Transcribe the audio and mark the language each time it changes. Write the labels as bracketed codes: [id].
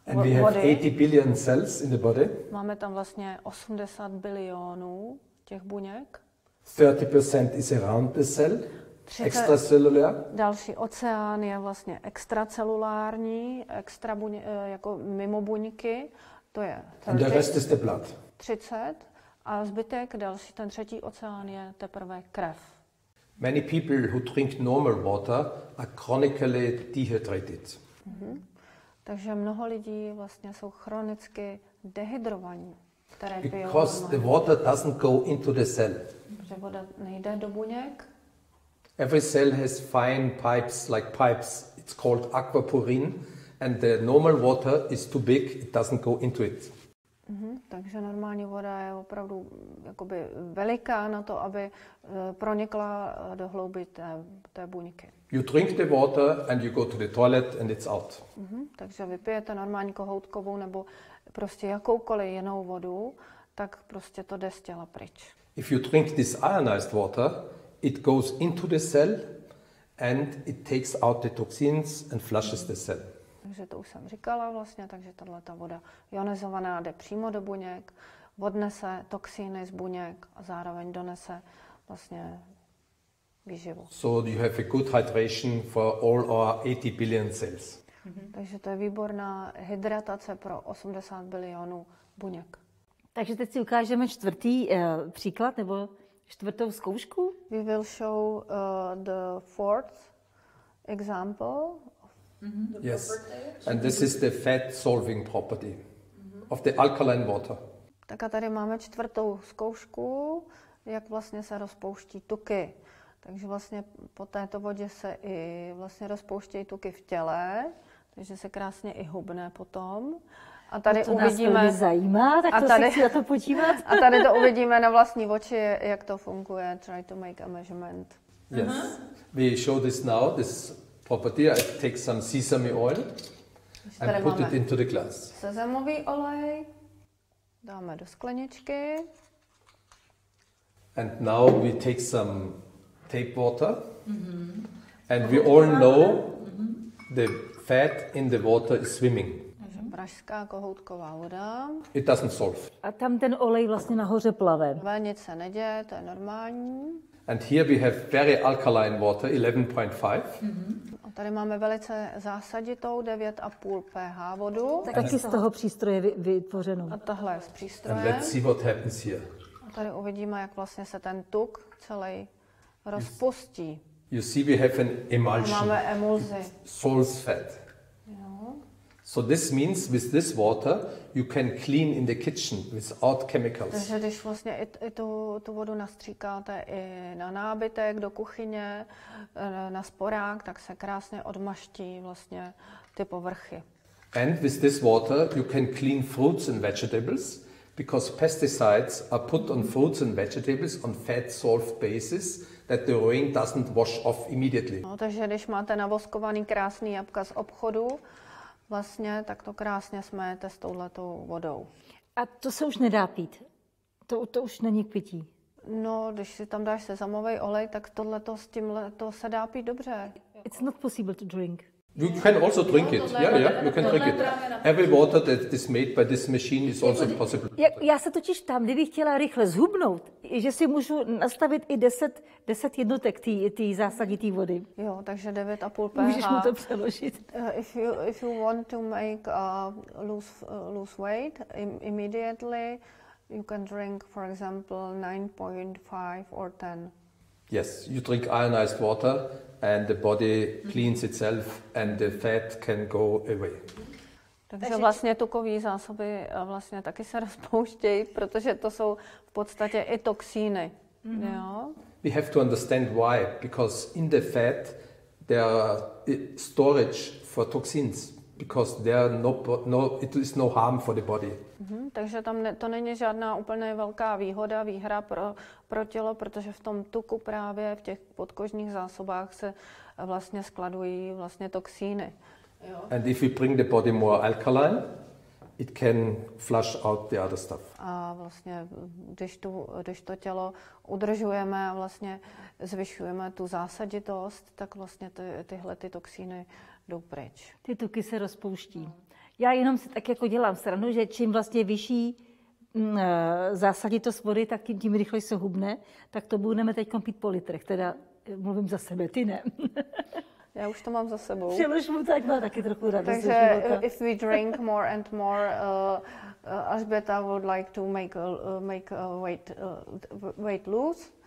[en] And we have 80 billion cells in the body. [cs] Máme tam vlastně 80 bilionů těch buněk. [en] 30% is around the cell. Extracellular. [cs] Další oceán je vlastně extracelulární, extra jako mimo buňky. To je 30. [en] And the rest is the blood. 30. [cs] A zbytek, další, ten třetí oceán je teprve krev. [en] Many people who drink normal water are chronically dehydrated. Mm-hmm. [cs] Takže mnoho lidí vlastně jsou chronicky dehydrovaní, které pijou. [en] Because the water doesn't go into the cell. [cs] Že voda nejde do buněk. [en] Every cell has fine pipes, like pipes. It's called aquaporin. And the normal water is too big, it doesn't go into it. Mm-hmm. [cs] Takže normální voda je opravdu jakoby veliká na to, aby pronikla do hlouby té buňky. [en] You drink the water and you go to the toilet and it's out. Mm-hmm. [cs] Takže vypijete normální kohoutkovou nebo prostě jakoukoliv jinou vodu, tak prostě to jde z těla pryč. [en] If you drink this ionized water, it goes into the cell and it takes out the toxins and flushes the cell. [cs] Takže to už jsem říkala vlastně, takže tahle ta voda ionizovaná jde přímo do buněk, odnese toxiny z buněk a zároveň donese vlastně výživu. [en] So you have a good hydration for all our 80 billion cells. Mm-hmm. [cs] Takže to je výborná hydratace pro 80 bilionů buněk. Takže teď si ukážeme čtvrtý příklad nebo čtvrtou zkoušku. [en] We will show the fourth example. Mm-hmm. Yes, and this is the fat-solving property mm-hmm. of the alkaline water. [cs] Tak a tady máme čtvrtou zkoušku, jak vlastně se rozpouští tuky. Takže vlastně po této vodě se i vlastně rozpouštějí tuky v těle, takže se krásně i hubne potom. A tady to uvidíme, nás zajímá, tak a to tady, si to podívat. A tady to uvidíme na vlastní oči, jak to funguje. [en] Try to make a measurement. Yes. We show this now, this property. I take some sesame oil and put it into the glass. [cs] Sezamový olej dáme do skleničky. [en] And now we take some tap water. Mm-hmm. And we all know the fat in the water is swimming. [cs] Pražská kohoutková voda. [en] It doesn't solve. [cs] A tam ten olej vlastně nahoře plave. Nic se neděje, to je normální. [en] And here we have very alkaline water, 11.5. [cs] Mm-hmm. A tady máme velice zásaditou 9,5 pH vodu. Taky z toho přístroje vytvořeno. A tohle je z přístroje. [en] And let's see what happens here. [cs] A tady uvidíme, jak vlastně se ten tuk celý rozpustí. [en] You see we have an emulsion. [cs] Máme emulzi. [en] Solves fat. So this means with this water you can clean in the kitchen without chemicals. [cs] Takže když vlastně i tu vodu nastříkáte i na nábytek do kuchyně, na sporák, tak se krásně odmaští vlastně ty povrchy. [en] And with this water you can clean fruits and vegetables because pesticides are put on fruits and vegetables on fat solved basis that the rain doesn't wash off immediately. [cs] No, takže když máte navoskovaný krásný jabka z obchodu, vlastně tak to krásně smejete s touhletou vodou. A to se už nedá pít? To už není k pití? No, když si tam dáš sezamový olej, tak tohleto s tímhle to se dá pít dobře. [en] It's not possible to drink. You can also drink it. Yeah, you can drink it. Every water that is made by this machine is also possible. [cs] Já se totiž tam, kdybych chtěla rychle zhubnout, že si můžu nastavit i 10 jednotek té zásaditý vody. Jo, takže 9,5 pH. Můžeš mu to přeložit. [en] If you want to make lose weight immediately, you can drink for example 9.5 or 10. Yes, you drink ionized water and the body cleans itself and the fat can go away. [cs] Takže vlastně tukové zásoby vlastně taky se rozpouštějí, protože to jsou v podstatě i toxíny. Mm-hmm. Jo? [en] We have to understand why, because in the fat there are storage for toxins, because there it is no harm for the body. Mm-hmm. [cs] Takže tam to není žádná úplně velká výhoda, výhra pro tělo, protože v tom tuku právě v těch podkožních zásobách se vlastně skladují vlastně toxíny. And if we bring the body more alkaline, it can flush out the other stuff. A vlastně když to tělo udržujeme a vlastně zvyšujeme tu zásaditost, tak vlastně tyhle toxíny jdou pryč. Ty tuky se rozpouští. Já jenom si tak jako dělám stranu, že čím vlastně vyšší zásaditost vody, tak tím rychleji se hubne, tak to budeme teď pít po litrech, teda mluvím za sebe, ty ne. Já už to mám za sebou. Přelož mu tak, má taky trochu radost. Takže [en] if we drink more and more, Alžběta would like to make weight lose.